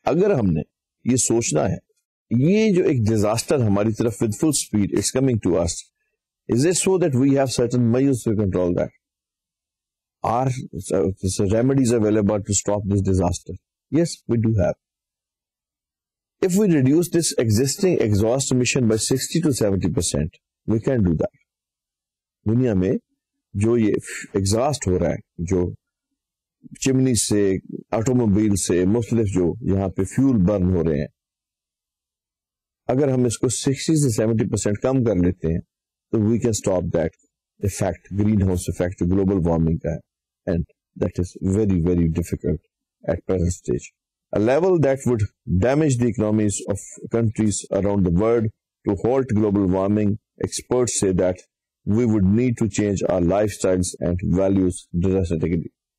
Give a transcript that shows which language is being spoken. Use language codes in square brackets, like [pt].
[ur] اگر ہم نے یہ سوچنا ہے یہ جو ایک ڈیزاسٹر ہماری طرف [en] With full speed it's coming to us, is it so that we have certain measures to control that, are remedies available to stop this disaster? Yes we do have. If we reduce this existing exhaust emission by 60 to 70%, we can do that. [ur] دنیا میں جو یہ exhaust ہو رہا ہے جو چمنی سے automobile سے مختلف جو یہاں پہ فیول برن ہو رہے ہیں, اگر ہم اس کو 60 سے 70% کم کر لیتے ہیں تو [en] we can stop that effect, [ur] green house effect جو گلوبل وارمنگ کا ہے, [en] And that is very very difficult at present stage. A level that would damage the economies of countries around the world to halt global warming, experts say that we would need to change our lifestyles and values drastically.